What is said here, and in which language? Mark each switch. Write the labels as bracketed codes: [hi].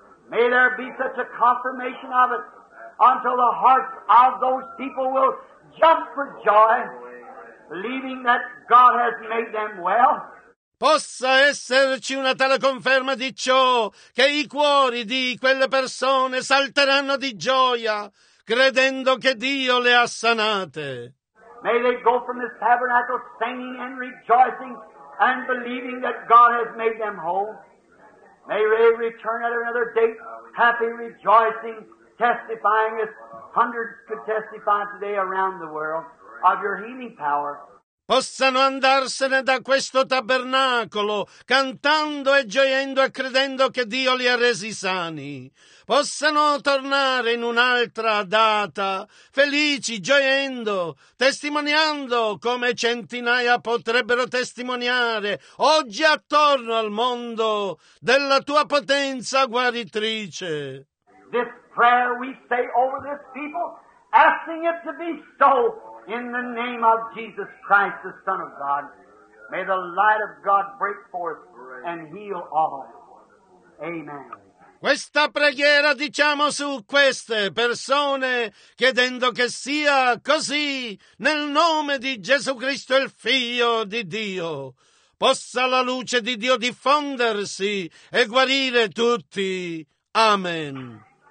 [en] May there be such a confirmation of it until the hearts of those people will jump for joy, believing that God has made them well. [it] Possa esserci una tale conferma di ciò che i cuori di quelle persone salteranno di gioia credendo che Dio le ha sanate. [en] May they go from this tabernacle singing and rejoicing and believing that God has made them whole. May they return at another date happy, rejoicing, testifying as hundreds could testify today around the world of your healing power. [it] possano andarsene da questo tabernacolo cantando e gioiendo e credendo che Dio li ha resi sani. Possano tornare in un'altra data, felici, gioiendo, testimoniando come centinaia potrebbero testimoniare oggi attorno al mondo della tua potenza guaritrice. [en] This prayer we say over this people, asking it to be so in the name of Jesus Christ, the Son of God. May the light of God break forth and heal all. Amen. [it] Questa preghiera diciamo su queste persone, chiedendo che sia così, nel nome di Gesù Cristo, il Figlio di Dio. Possa la luce di Dio diffondersi e guarire tutti. Amen.